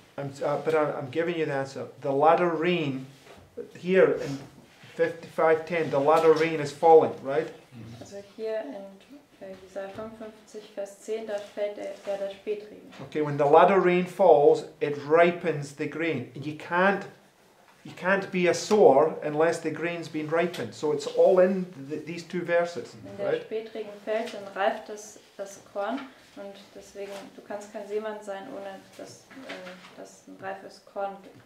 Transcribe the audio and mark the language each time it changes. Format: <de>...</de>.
<en>I'm giving you the answer. The latter rain, here in 55:10, the latter rain is falling, right?</en> <de>Also</de> <en>here</en> <de>in dieser 55 Vers 10, da fällt der Spätregen.</de> <en>Okay, when the latter rain falls, it ripens the grain. You can't be a sower unless the grain's been ripened. So it's all in these two verses.</en> <de>Wenn der Spätregen fällt, dann reift das Korn. Und deswegen, du kannst kein Seemann sein, ohne dass ein reifes Korn gibt.</de>